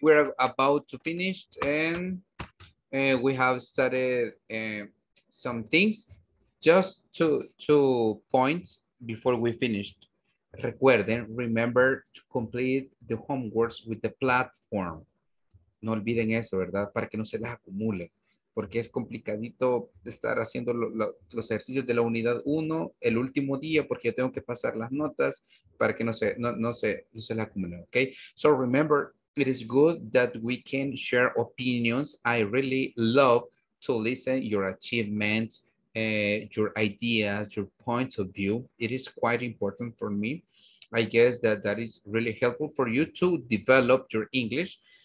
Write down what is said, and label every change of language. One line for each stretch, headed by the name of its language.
English: We're about to finish and we have started some things. Just two points before we finished.
Spanish: Recuerden,
English: remember to complete the homeworks with the platform.
Spanish: No olviden eso, ¿verdad? Para que no se las acumule. Porque es complicadito estar haciendo los ejercicios de la unidad 1 el último día porque yo tengo que pasar las notas para que no se las acumule, ¿ok?
English: So remember, it is good that we can share opinions. I really love to listen your achievements, your ideas, your points of view. It is quite important for me. I guess that is really helpful for you to develop your English.